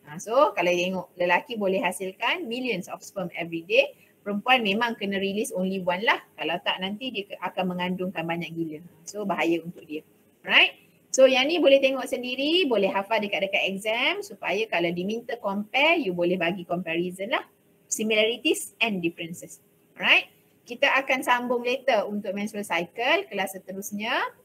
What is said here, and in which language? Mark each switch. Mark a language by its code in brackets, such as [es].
[en] So [ms] kalau tengok lelaki boleh hasilkan [en] millions of sperm every day. [ms] Perempuan memang kena [en] release only one [ms] lah. Kalau tak nanti dia akan mengandungkan banyak gila. So bahaya untuk dia. Right. So yang ni boleh tengok sendiri, boleh hafal dekat-dekat exam supaya kalau diminta compare, you boleh bagi comparison lah. [en] Similarities and differences. Right. [ms] Kita akan sambung later untuk menstrual cycle kelas seterusnya.